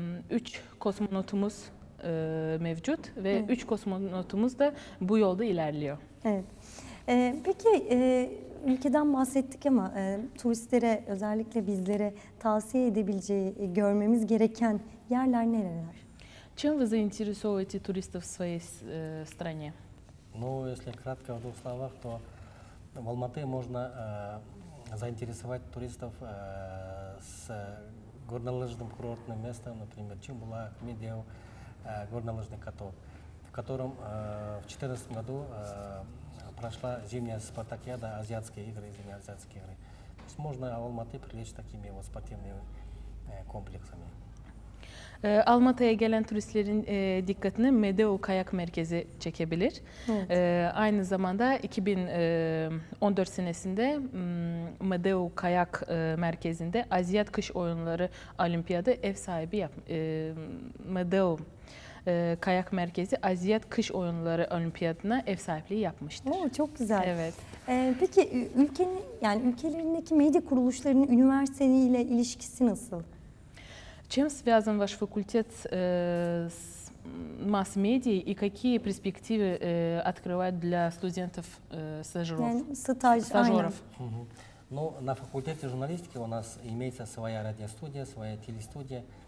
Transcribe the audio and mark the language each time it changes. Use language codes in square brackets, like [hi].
[tr] 3 kosmonotumuz mevcut ve 3 kosmonotumuz da bu yolda ilerliyor. Evet. Peki ülkeden bahsettik ama turistlere, özellikle bizlere tavsiye edebileceği, görmemiz gereken yerler nereler? [ru] Чем вы заинтересовываете туристов в своей стране? Ну, если кратко в двух словах, то в Алматы можно заинтересовать туристов с горнолыжным курортным местом, например, Чимбулак, Медеу, горнолыжный каток, в котором в 2014 году прошла зимняя спартакиада, азиатские игры, извини, азиатские игры. То есть можно Алматы привлечь такими вот спортивными комплексами. [tr] Almatı'ya gelen turistlerin dikkatini Medeo Kayak Merkezi çekebilir. Evet. Aynı zamanda 2014 senesinde Medeo Kayak Merkezi'nde Aziyat Kış Oyunları Olimpiyadı ev sahibi Medeo Kayak Merkezi Aziyat Kış Oyunları Olimpiyatına ev sahipliği yapmıştır. Oo, çok güzel. Evet. Peki ülkenin yani ülkelerindeki medya kuruluşlarının üniversiteyle ilişkisi nasıl? [ru] Чем связан ваш факультет с масс-медией и какие перспективы открывает для студентов стажеров? Ну, на факультете журналистики у нас имеется своя радиостудия, своя телестудия.